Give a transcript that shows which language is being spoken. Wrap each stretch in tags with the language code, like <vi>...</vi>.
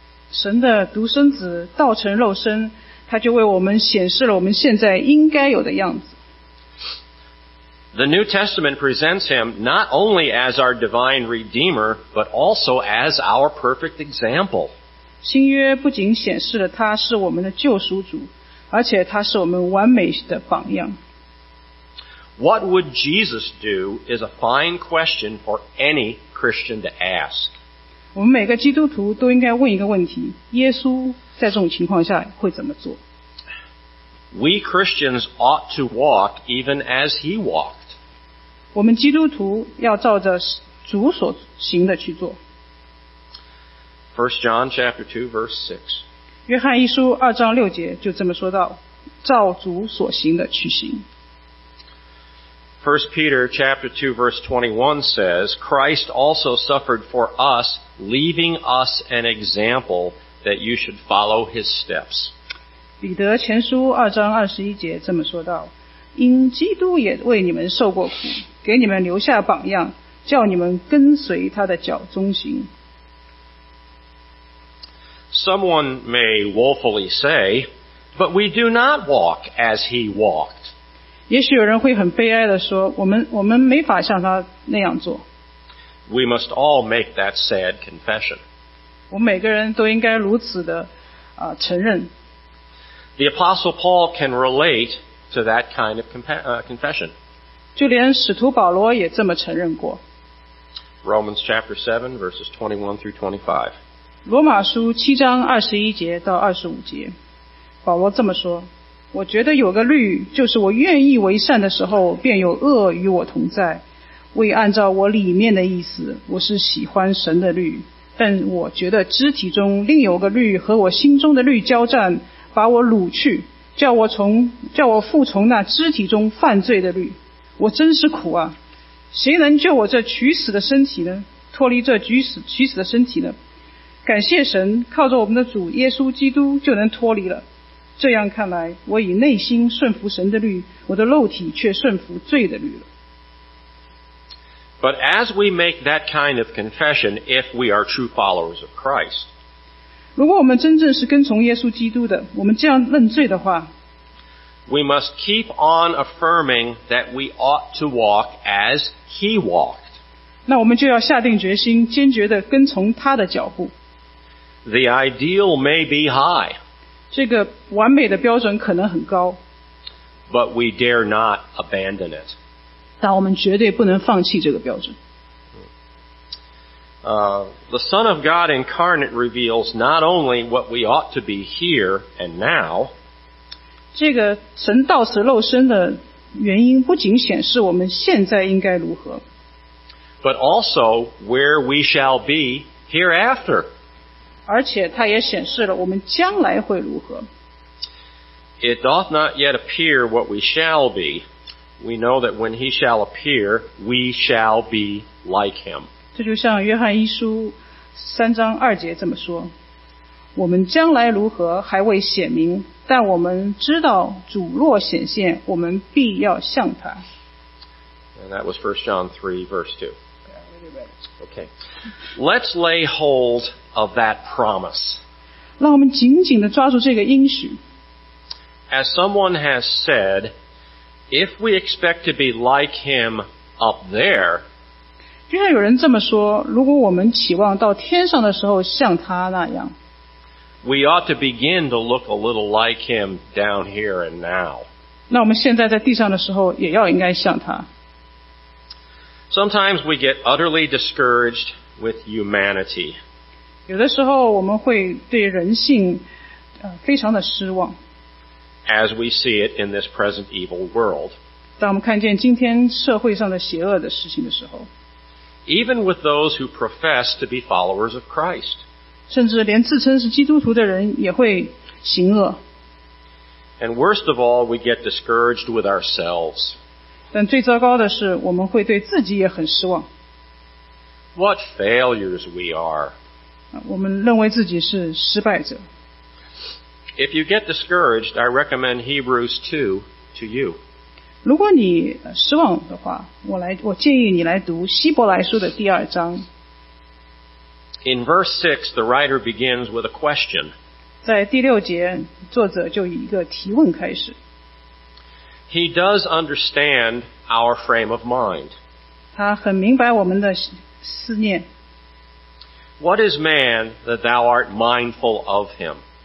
<zh>神的独生子道成肉身，他就为我们显示了我们现在应该有的样子。</zh> <en>The New Testament presents him not only as our divine Redeemer, but also as our perfect example.</en> <zh>新约不仅显示了他是我们的救赎主，而且他是我们完美的榜样。</zh> <en>What would Jesus do is a fine question for any Christian to ask.</en> <zh>我们每个基督徒都应该问一个问题，耶稣在这种情况下会怎么做？</zh> <en>We Christians ought to walk even as he walked.</en> <zh>我们基督徒要照着主所行的去做。</zh> <en>1 John chapter 2 verse 6.</en> <zh>约翰一书二章六节就这么说到，照主所行的去行。</zh> <en>1 Peter chapter 2 verse 21 says, Christ also suffered for us, leaving us an example that you should follow his steps.</en> <zh>彼得前书二章二十一节这么说道，因基督也为你们受过苦，给你们留下榜样，叫你们跟随他的脚踪行。</zh> <en>Someone may woefully say, but we do not walk as he walked.</en> <zh>也许有人会很悲哀地说，我们没法像他那样做。</zh> <en>We must all make that sad confession.</en> <zh>我们每个人都应该如此的承认。</zh> <en>The Apostle Paul can relate to that kind of confession.</en> <zh>就连使徒保罗也这么承认过。</zh> <en>Romans chapter 7, verses 21 through 25.</en> <zh>罗马书七章二十一节到二十五节，保罗这么说：我觉得有个律，就是我愿意为善的时候，便有恶与我同在。为按照我里面的意思，我是喜欢神的律，但我觉得肢体中另有个律和我心中的律交战。把我掳去，叫我服从那肢体中犯罪的律。我真是苦啊！谁能救我这取死的身体呢？脱离这取死的身体呢？感谢神，靠着我们的主耶稣基督就能脱离了。这样看来，我以内心顺服神的律，我的肉体却顺服罪的律了。</zh> <en>But as we make that kind of confession, if we are true followers of Christ.</en> <zh>如果我们真正是跟从耶稣基督的，我们这样认罪的话，</zh> <en>We must keep on affirming that we ought to walk as he walked.</en> <zh>那我们就要下定决心，坚决地跟从他的脚步。</zh> <en>The ideal may be high.</en> <zh>这个完美的标准可能很高。</zh> <en>But we dare not abandon it.</en> <zh>但我们绝对不能放弃这个标准。</zh> <en>The Son of God incarnate reveals not only what we ought to be here and now.</en> <zh>这个神道此肉身的原因不仅显示我们现在应该如何，</zh> <en>but also where we shall be hereafter.</en> <zh>而且它也显示了我们将来会如何。</zh> <en>It doth not yet appear what we shall be. We know that when he shall appear, we shall be like him.</en> <zh>这就像约翰一书三章二节这么说，我们将来如何还未显明，但我们知道主若显现，我们必要像他。</zh> <en>And that was 1 John 3 verse 2. Okay. Let's lay hold of that promise.</en> <zh>让我们紧紧地抓住这个应许。</zh> <en>As someone has said, if we expect to be like him up there,</en> <zh>就像有人这么说，如果我们期望到天上的时候像他那样，</zh> <en>We ought to begin to look a little like him down here and now.</en> <zh>那我们现在在地上的时候也要应该像他。</zh> <en>Sometimes we get utterly discouraged with humanity.</en> <zh>有的时候我们会对人性非常的失望。</zh> <en>As we see it in this present evil world.</en> <zh>当我们看见今天社会上的邪恶的事情的时候，</zh> <en>Even with those who profess to be followers of Christ.</en> <zh>甚至连自称是基督徒的人也会行恶。</zh> <en>And worst of all, we get discouraged with ourselves.</en> <zh>但最糟糕的是我们会对自己也很失望。</zh> <en>What failures we are.</en> <zh>我们认为自己是失败者。</zh> <en>If you get discouraged, I recommend Hebrews 2 to you.</en> <zh>如果你失望的话，我建议你来读希伯来书的第二章。</zh> <en>In verse 6, the writer begins with a question.</en> <zh>在第六节，作者就以一个提问开始。</zh> <en>He does understand our frame of mind.</en> <zh>他很明白我们的思念。</zh> <en>What is man that thou art mindful of him?</en>